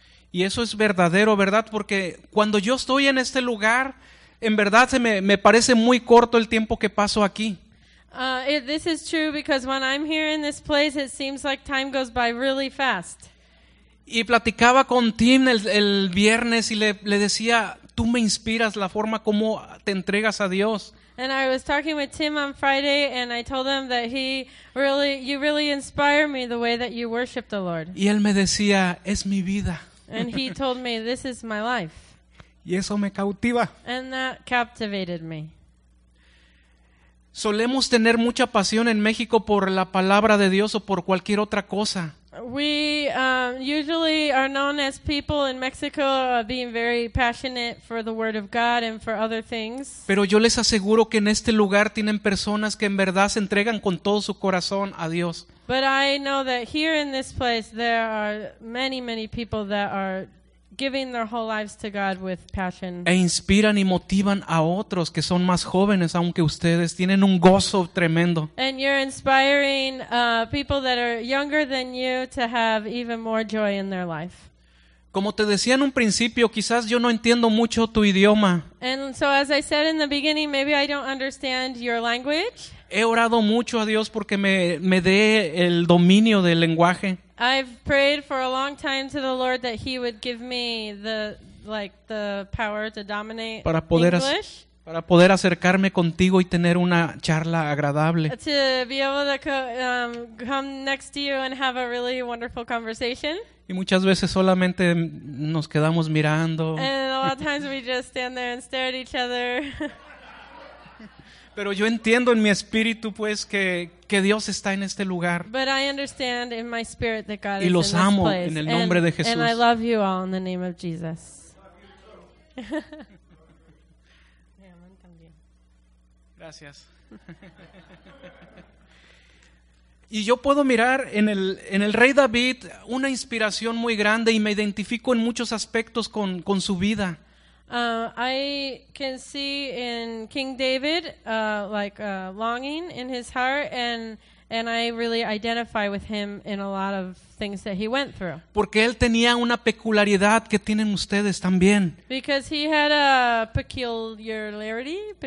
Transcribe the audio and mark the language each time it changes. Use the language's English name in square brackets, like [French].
[Spanish] Y eso es verdadero, ¿verdad? Porque cuando yo estoy en este lugar, en verdad se me parece muy corto el tiempo que paso aquí. [English] This is true because when I'm here in this place, it seems like time goes by really fast. [Spanish] Y platicaba con Tim el viernes y le decía, tú me inspiras la forma como te entregas a Dios. [English] And I was talking with Tim on Friday and I told him that you really inspire me the way that you worship the Lord. [Spanish] Y él me decía, es mi vida. [English] And he told me, this is my life. [Spanish] Y eso me cautiva. [English] And that captivated me. [Spanish] Solemos tener mucha pasión en México por la palabra de Dios o por cualquier otra cosa. [English] We usually are known as people in Mexico being very passionate for the word of God and for other things. [Spanish] Pero yo les aseguro que en este lugar tienen personas que en verdad se entregan con todo su corazón a Dios. [English] But I know that here in this place there are many, many people that are giving their whole lives to God with passion. [Spanish] E inspiran y motivan a otros que son más jóvenes, aunque ustedes tienen un gozo tremendo. [English] And you're inspiring people that are younger than you to have even more joy in their life. [Spanish] Como te decía en un principio, quizás yo no entiendo mucho tu idioma. [English] And so as I said in the beginning, maybe I don't understand your language. [Spanish] He orado mucho a Dios porque me dé el dominio del lenguaje. [English] I've prayed for a long time to the Lord that he would give me the power to dominate English. [Spanish] Para poder acercarme contigo y tener una charla agradable. [English] To be able to come next to you and have a really wonderful conversation. [Spanish] Y muchas veces solamente nos quedamos mirando. [English] And a lot of times we just stand there and stare at each other. [Spanish] Pero yo entiendo en mi espíritu, pues, que Dios está en este lugar. [English] But I understand in my spirit that God is in this place. [Spanish] Y los amo en el nombre de Jesús. [English] And I love you all in the name of Jesus. [Spanish] Gracias. Y yo puedo mirar en el rey David una inspiración muy grande y me identifico en muchos aspectos con su vida. [English] I can see in King David a longing in his heart and I really identify with him in a lot of things that he went through. [Spanish] Porque él tenía una peculiaridad que tienen ustedes también. [English] Because he had a peculiarity?